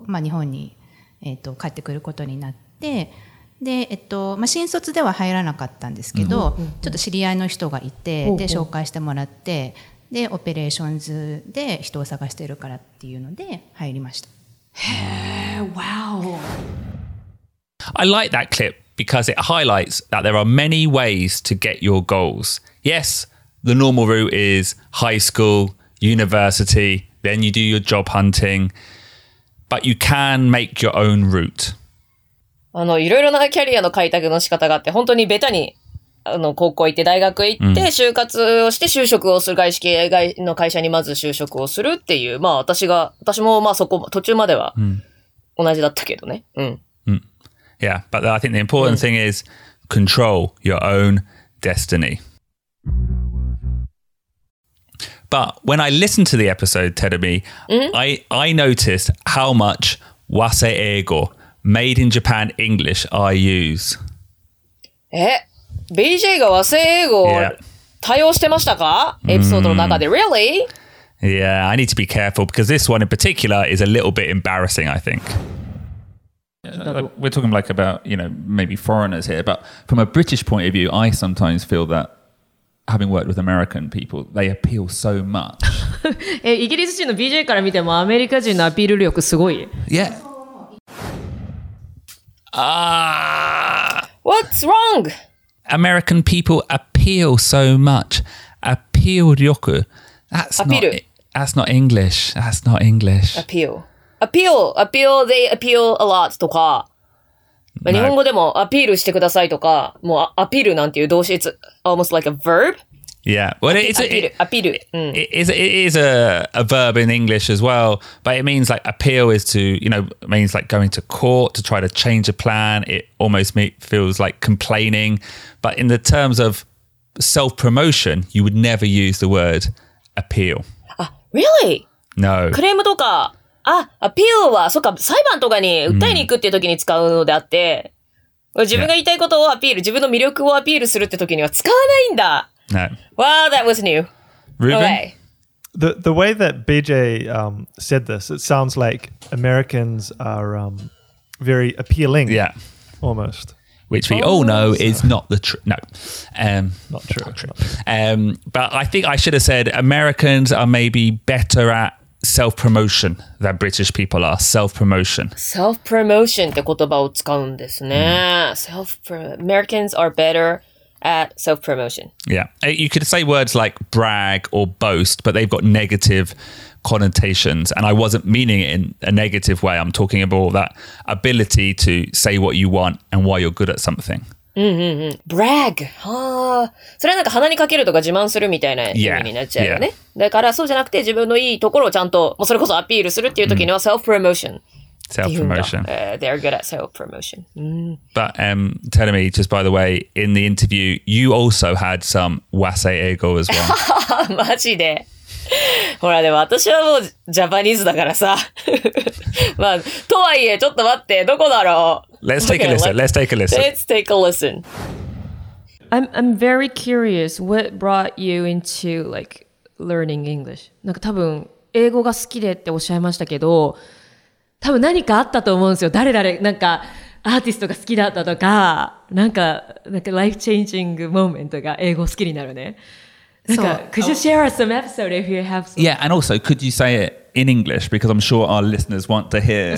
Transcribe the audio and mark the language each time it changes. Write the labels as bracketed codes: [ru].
[ja] で、まあ、日本に、帰ってくることになってで、まあ、新卒では入らなかったんですけど、yeah. ちょっと知り合いの人がいて、yeah. で紹介してもらってでオペレーションズで人を探してるからっていうので入りました。へえ、wow. [en] I like that clipBecause it highlights that there are many ways to get your goals. Yes, the normal route is high school, university, then you do your job hunting, but you can make your own route. [ja] あの、いろいろなキャリアの開拓の仕方があって、本当にベタに、あの、高校行って大学行って、就活をして就職をする外資系の会社にまず就職をするっていう、まあ私もまあそこ、途中までは同じだったけどね。うん。 [en] Yeah, but I think the important thing is control your own destiny. But when I listened to the episode, Terumi, I noticed how much Wase Eigo, made in Japan English, I use. [ja] BJ が Wase Eigo 対応してましたか?エピソードの中で。 [en] Really? Yeah, I need to be careful because this one in particular is a little bit embarrassing, I think. We're talking like about, you know, maybe foreigners here, but from a British point of view, I sometimes feel that having worked with American people, they appeal so much. [ja] イギリス人の BJ から見てもアメリカ人のアピール力すごい。 [en] Yeah. What's wrong? American people appeal so much. Appeal 力. That's not English. That's not English. Appeal. Appeal, appeal, they appeal a lot, [ja] とか、まあ、日本語でもアピールしてくださいとか、もうアピールなんていう動詞、 [en] it's almost like a verb. Yeah, well, it is a verb in English as well, but it means like appeal is to, you know, means like going to court to try to change a plan. It almost feels like complaining. But in the terms of self-promotion, you would never use the word appeal. Really? No. [ja] クレームとか。あ、アピールは、そっか、裁判とかに訴えに行くって時に使うのであって、自分が言いたいことをアピール、自分の魅力をアピールするって時には使わないんだ。 [en] No. Wow, that was new. Ruben? Okay. The way that BJ, said this, it sounds like Americans are, very appealing. Yeah. Almost. Which we all know is not the truth. No. Not true. Not true. But I think I should have said Americans are maybe better atself-promotion that British people are. Self-promotion. [ja] Self-promotion って言葉を使うんですね。 [en] Americans are better at self-promotion. Yeah. You could say words like brag or boast, but they've got negative connotations. And I wasn't meaning it in a negative way. I'm talking about that ability to say what you want and why you're good at something. Brag. [ja] それはなんか鼻にかけるとか自慢するみたいな意味になっちゃうよね。 Yeah. だからそうじゃなくて自分のいいところをちゃんと、もうそれこそアピールするっていう時には self-promotion. [en] Self-promotion. They're good at self-promotion. But, tell me, just by the way, in the interview, you also had some Wase Eigo as well. [ja] マジで。ほらでも私はもうジャパニーズだからさ。まあ、とはいえちょっと待って、どこだろう。 [en] Let's take a listen. Let's take a listen. Let's take a listen. I'm very curious. What brought you into like learning English? [ja] なんか多分英語が好きでっておっしゃいましたけど、多分何かあったと思うんですよ。誰なんかアーティストが好きだったとか、なんかライフチェンジングモーメントが英語好きになるね。 [en] なんか、so, could you share us some episode if you have some? Yeah, and also could you say it in English? Because I'm sure our listeners want to hear.